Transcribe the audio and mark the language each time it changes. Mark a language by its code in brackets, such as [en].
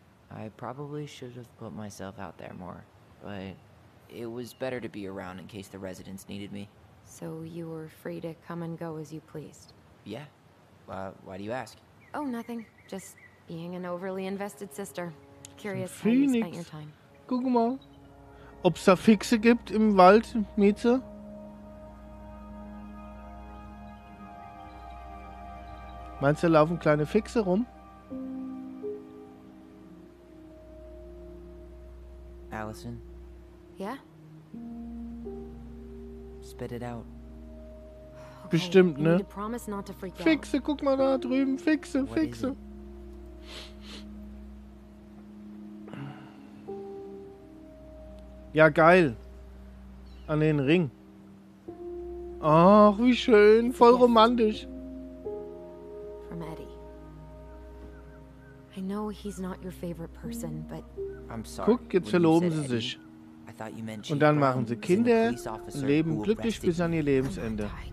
[en] I probably should have put myself out there more, but it was better to be around in case the residents needed me. So you were free to come and go as you pleased? Yeah. Why do you ask? Oh, nothing. Just being an overly invested sister. Curious how you spent your time. [de] Guck mal, ob's da Fixe gibt im Wald, Mieze. Meinst du, da laufen kleine Fixe rum? [en] Allison? Yeah? Spit it out. [de] Bestimmt, ne? Okay, Fixe, guck mal da drüben. Fixe, Fixe. Ja, geil. An den Ring. Ach, wie schön. Voll romantisch. [en] From Eddie. I know he's not your favorite person, but... I'm sorry. [de] Guck, jetzt verloben sie sich. Und dann machen sie Kinder und leben glücklich bis an ihr Lebensende.